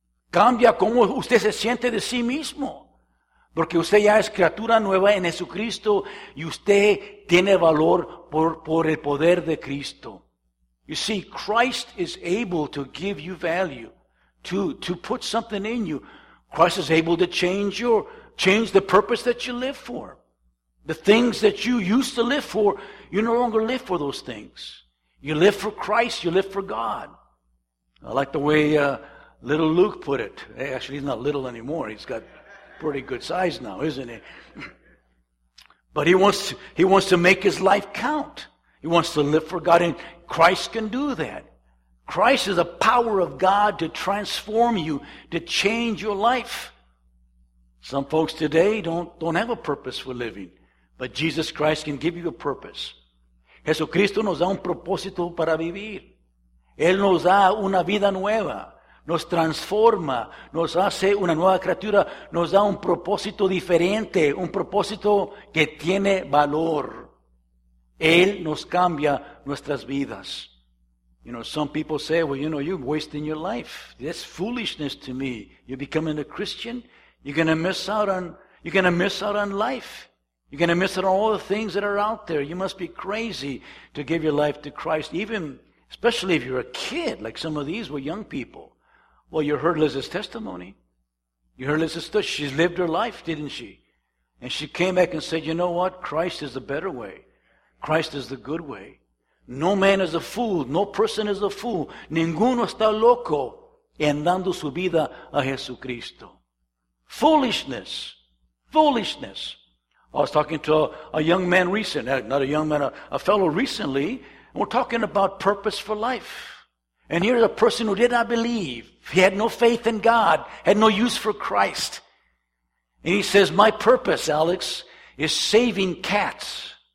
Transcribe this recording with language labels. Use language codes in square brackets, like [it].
[es] Cambia cómo usted se siente de sí mismo. Porque usted ya es criatura nueva en Jesucristo y usted tiene valor por el poder de Cristo. [en] You see, Christ is able to give you value, to put something in you. Christ is able to change the purpose that you live for. The things that you used to live for, you no longer live for those things. You live for Christ, you live for God. I like the way little Luke put it. Hey, actually, he's not little anymore. He's got pretty good size now, isn't he? But he wants to make his life count. He wants to live for God, and Christ can do that. Christ is the power of God to transform you, to change your life. Some folks today don't have a purpose for living, but Jesus Christ can give you a purpose. [es] Jesucristo nos da un propósito para vivir. Él nos da una vida nueva, nos transforma, nos hace una nueva criatura, nos da un propósito diferente, un propósito que tiene valor. Él nos cambia nuestras vidas. [en] You know, some people say, well, you know, you're wasting your life. That's foolishness to me. You're becoming a Christian, you're going to miss out on life. You're going to miss out on all the things that are out there. You must be crazy to give your life to Christ, especially if you're a kid, like some of these were young people. Well, you heard Liz's testimony. You heard Liz's story. She's lived her life, didn't she? And she came back and said, you know what? Christ is the better way. Christ is the good way. No man is a fool. No person is a fool. [es] Ninguno está loco en dando su vida a Jesucristo. [en] Foolishness. Foolishness. I was talking to a young man recently, not a young man, a fellow recently, and we're talking about purpose for life. And here's a person who did not believe. He had no faith in God, had no use for Christ. And he says, my purpose, Alex, is saving cats.